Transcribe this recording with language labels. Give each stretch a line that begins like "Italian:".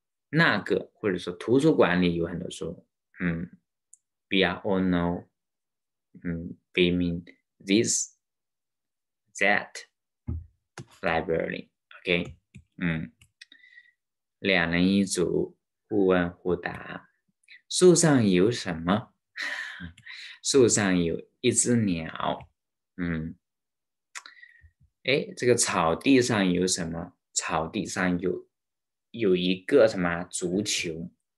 Chinese: 那个或者说图书馆里有很多书。
English: We are all know. We mean this, that library.
Chinese: OK， 两人一组，互问互答。树上有什么？树上有一只鸟。这个草地上有什么？草地上有一个什么足球。